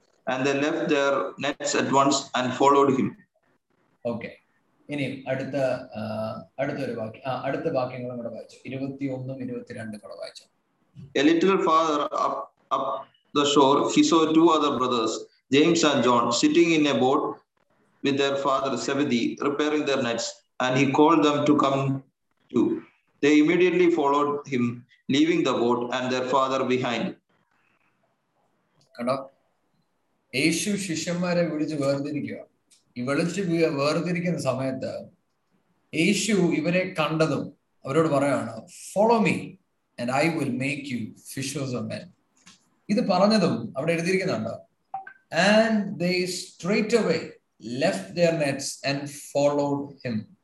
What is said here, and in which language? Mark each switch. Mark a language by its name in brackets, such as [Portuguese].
[English] And they left their nets at once and followed him. Okay. [Malayalam] ഇനിയും അടുത്ത അടുത്തൊരു ബാക്കി അടുത്ത ബാക്കിയങ്ങളും കൂടെ വായിച്ചു. 21-22 കൂടെ വായിച്ചു. [English] A little farther up the shore, he saw two other brothers, James and John, sitting in a boat with their father Zebedee, repairing their nets. And he called them to come too. They immediately followed him, leaving the boat and their father behind. [Malayalam] കണ്ടോ, യേശു ശിഷ്യന്മാരെ വിളിച്ച് വേർതിരിക്കുക. ഈ വിളിച്ച് വേർതിരിക്കുന്ന സമയത്ത് യേശു ഇവരെ കണ്ടതും അവരോട് പറയാണ്, [English] Follow me and I will make you fishers of men. [Malayalam] ഇത് പറഞ്ഞതും അവിടെ എഴുതിയിരിക്കുന്നുണ്ട്, [English] And they straight away left their nets and followed him.